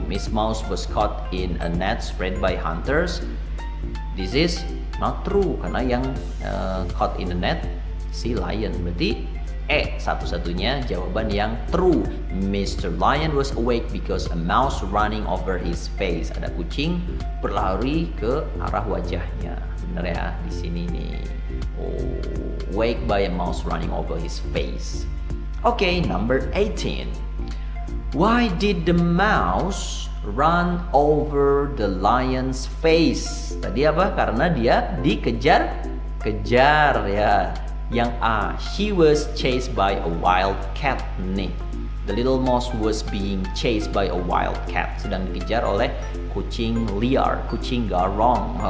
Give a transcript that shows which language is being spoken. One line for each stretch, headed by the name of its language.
English: Miss Mouse was caught in a net spread by hunters. This is not true.
Indonesian: Karena yang
English: caught in a net, si lion.
Indonesian: Berarti satu-satunya jawaban yang true. Mr.
English: Lion was awake because a mouse running over his face.
Indonesian: Ada kucing berlari ke arah wajahnya. Bener ya di sini nih.
English: Oh, awake by a mouse running over his face. Okay, number 18. Why did the mouse run over the lion's face?
Indonesian: Tadi apa? Karena dia dikejar-kejar ya.
English: Yang A, she was chased by a wild cat. Nih, the little mouse was being chased by a wild cat.
Indonesian: Sedang dikejar oleh kucing liar, kucing garong.